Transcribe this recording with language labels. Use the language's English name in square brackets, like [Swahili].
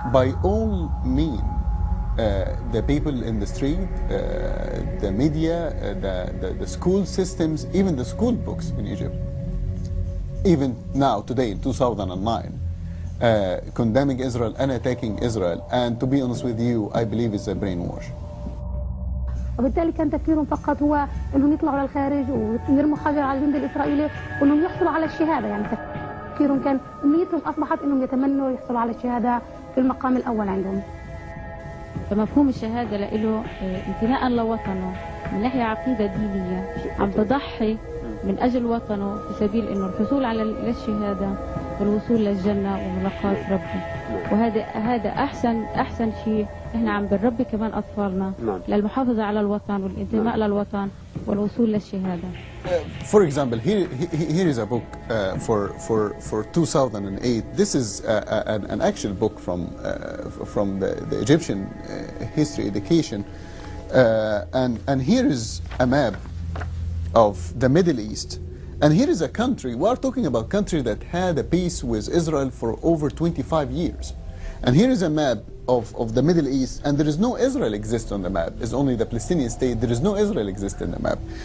[English] By all means, the people in the street, the media, the school systems, even the school books in Egypt, even now, today, in 2009, condemning Israel and attacking Israel, and to be honest with you, I believe it's a brainwash. [Arabic] وبالتالي كان تفكيرهم فقط هو انهم يطلعوا للخارج ويرموا حجر على الجندي الاسرائيلي وانهم يحصلوا على الشهاده يعني تفكيرهم كان نيتهم اصبحت انهم يتمنوا يحصلوا على الشهاده في المقام الاول عندهم فمفهوم الشهاده له انتماء لوطنه من ناحيه عقيده دينيه عم تضحي من اجل وطنه في سبيل انه الحصول على الشهاده والوصول للجنه وملاقات ربه وهذا احسن شيء احنا عم بنربي كمان اطفالنا للمحافظه على الوطن والانتماء للوطن والوصول للشهاده [English] For example here is a book for 2008 this is an actual book from the Egyptian history education and here is a map of the Middle East and here is a country we are talking about a country that had a peace with Israel for over 25 years and here is a map of the Middle East and there is no Israel exists on the map it's only the Palestinian state there is no Israel exists in the map